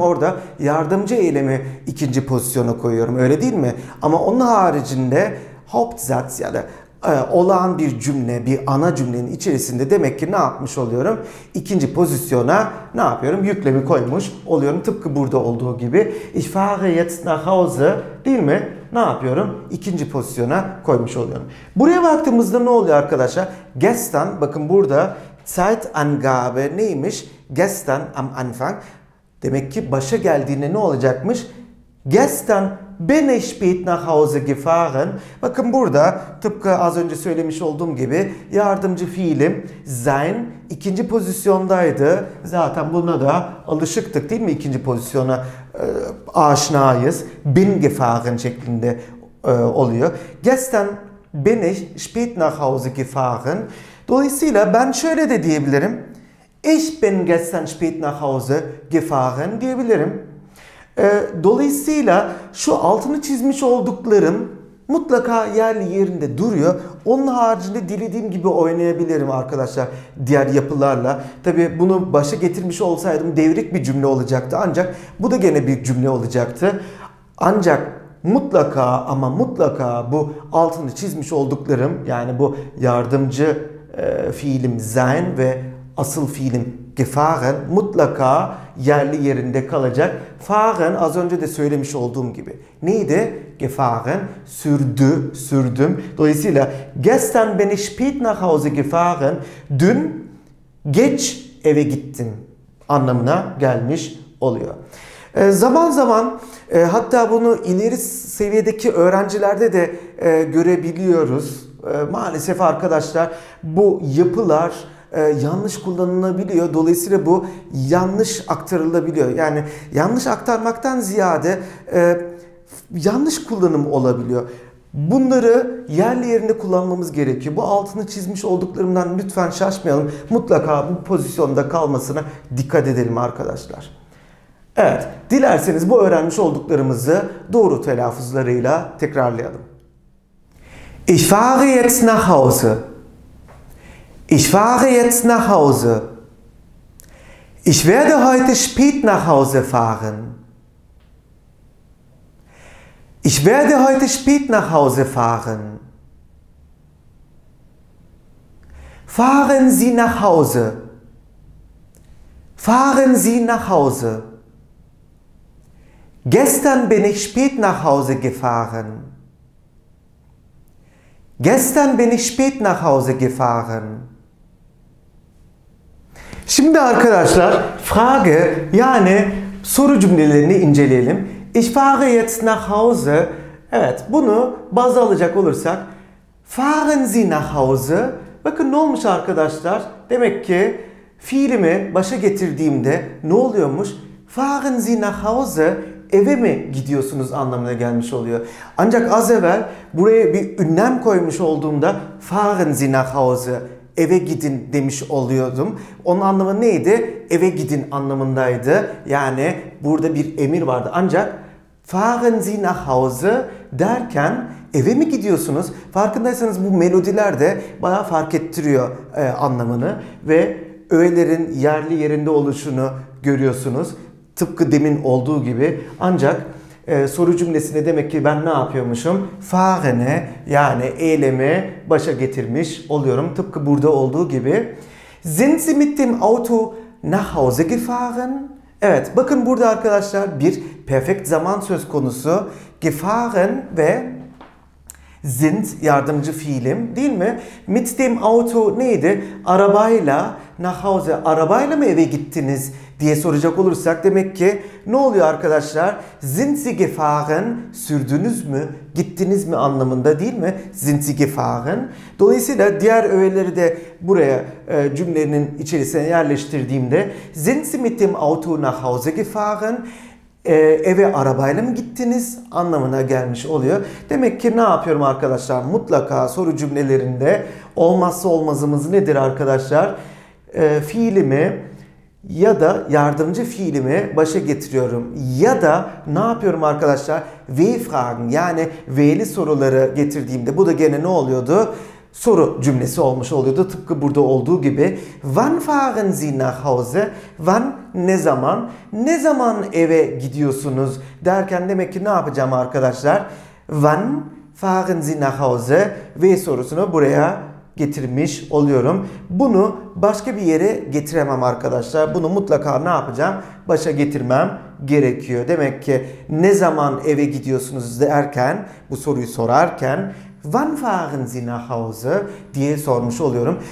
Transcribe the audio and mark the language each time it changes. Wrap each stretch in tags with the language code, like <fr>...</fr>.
<tr>Orada yardımcı eylemi ikinci pozisyona koyuyorum, öyle değil mi? Ama onun haricinde Hauptsatz ya da olağan bir cümle, bir ana cümlenin içerisinde demek ki ne yapmış oluyorum? İkinci pozisyona ne yapıyorum? Yüklemi koymuş oluyorum. Tıpkı burada olduğu gibi.</tr> <de>Ich fahre jetzt nach Hause,</de> <tr>değil mi? Ne yapıyorum? İkinci pozisyona koymuş oluyorum. Buraya baktığımızda ne oluyor arkadaşlar? Gestern, bakın burada Zeitangabe neymiş?</tr> <de>Gestern am Anfang.</de> <tr>Demek ki başa geldiğinde ne olacakmış?</tr> <de>Gestern bin ich spät nach Hause gefahren.</de> <tr>Bakın burada tıpkı az önce söylemiş olduğum gibi yardımcı fiilim sein ikinci pozisyondaydı. Zaten buna da alışıktık değil mi? İkinci pozisyona aşinayız.</tr> <de>Bin gefahren</de> <tr>şeklinde oluyor.</tr> <de>Gestern bin ich spät nach Hause gefahren.</de> <tr>Dolayısıyla ben şöyle de diyebilirim.</tr> <de>Ich bin gestern spät nach Hause gefahren</de> <tr>diyebilirim. Dolayısıyla şu altını çizmiş olduklarım mutlaka yerli yerinde duruyor. Onun haricinde dilediğim gibi oynayabilirim arkadaşlar diğer yapılarla. Tabii bunu başa getirmiş olsaydım devrik bir cümle olacaktı. Ancak bu da gene bir cümle olacaktı. Ancak mutlaka ama mutlaka bu altını çizmiş olduklarım, yani bu yardımcı fiilim sein ve asıl fiilim gefahren mutlaka yerli yerinde kalacak. Fahren az önce de söylemiş olduğum gibi. Neydi? Gefahren sürdü, sürdüm. Dolayısıyla</tr> <de>gestern bin ich spät nach Hause gefahren.</de> <tr>Dün geç eve gittim anlamına gelmiş oluyor. Zaman zaman hatta bunu ileri seviyedeki öğrencilerde de görebiliyoruz. Maalesef arkadaşlar bu yapılar yanlış kullanılabiliyor. Dolayısıyla bu yanlış aktarılabiliyor. Yani yanlış aktarmaktan ziyade yanlış kullanım olabiliyor. Bunları yerli yerinde kullanmamız gerekiyor. Bu altını çizmiş olduklarımdan lütfen şaşmayalım. Mutlaka bu pozisyonda kalmasına dikkat edelim arkadaşlar. Evet, dilerseniz bu öğrenmiş olduklarımızı doğru telaffuzlarıyla tekrarlayalım.</tr> <de>Ich fahre jetzt nach Hause. Ich fahre jetzt nach Hause. Ich werde heute spät nach Hause fahren. Ich werde heute spät nach Hause fahren. Fahren Sie nach Hause. Fahren Sie nach Hause. Gestern bin ich spät nach Hause gefahren. Gestern bin ich spät nach Hause gefahren.</de> <tr>Şimdi arkadaşlar frage, yani soru cümlelerini inceleyelim.</tr> <de>Ich fahre jetzt nach Hause.</de> <tr>Evet, bunu baz alacak olursak</tr> <de>fahren Sie nach Hause.</de> <tr>Bakın ne olmuş arkadaşlar? Demek ki fiilimi başa getirdiğimde ne oluyormuş?</tr> <de>Fahren Sie nach Hause,</de> <tr>eve mi gidiyorsunuz anlamına gelmiş oluyor. Ancak az evvel buraya bir ünlem koymuş olduğumda</tr> <de>fahren Sie nach Hause,</de> <tr>eve gidin demiş oluyordum. Onun anlamı neydi? Eve gidin anlamındaydı. Yani burada bir emir vardı. Ancak</tr> <de>fahren Sie nach Hause</de> <tr>derken eve mi gidiyorsunuz? Farkındaysanız bu melodiler de bayağı fark ettiriyor anlamını. Ve öğelerin yerli yerinde oluşunu görüyorsunuz. Tıpkı demin olduğu gibi. Ancak soru cümlesinde demek ki ben ne yapıyormuşum? Fahene, yani eylemi başa getirmiş oluyorum. Tıpkı burada olduğu gibi.</tr> <de>Sind Sie mit dem Auto nach Hause gefahren?</de> <tr>Evet, bakın burada arkadaşlar bir perfekt zaman söz konusu. Gefahren ve sind yardımcı fiilim değil mi?</tr> <de>Mit dem Auto</de> <tr>neydi? Arabayla</tr> <de>nach Hause,</de> <tr>arabayla mı eve gittiniz diye soracak olursak demek ki ne oluyor arkadaşlar?</tr> <de>Sind Sie gefahren,</de> <tr>sürdünüz mü, gittiniz mi anlamında değil mi?</tr> <de>Sind Sie gefahren.</de> <tr>Dolayısıyla diğer öğeleri de buraya cümlenin içerisine yerleştirdiğimde</tr> <de>Sind Sie mit dem Auto nach Hause gefahren,</de> <tr>eve arabayla mı gittiniz anlamına gelmiş oluyor. Demek ki ne yapıyorum arkadaşlar? Mutlaka soru cümlelerinde olmazsa olmazımız nedir arkadaşlar? Fiilimi ya da yardımcı fiilimi başa getiriyorum. Ya da ne yapıyorum arkadaşlar? W-Fragen, yani W'li soruları getirdiğimde bu da gene ne oluyordu? soru cümlesi olmuş oluyordu. Tıpkı burada olduğu gibi.</tr> <de>Wann fahren Sie nach Hause?</de> <tr>Wann, ne zaman? Ne zaman eve gidiyorsunuz? Derken demek ki ne yapacağım arkadaşlar?</tr> <de>Wann fahren Sie nach Hause?</de> <tr>Ve sorusunu buraya getirmiş oluyorum. Bunu başka bir yere getiremem arkadaşlar. Bunu mutlaka ne yapacağım? Başa getirmem gerekiyor. Demek ki ne zaman eve gidiyorsunuz derken, bu soruyu sorarken</tr> <de>Wann fahren Sie nach Hause</de> <tr>diye sormuş oluyorum.</tr>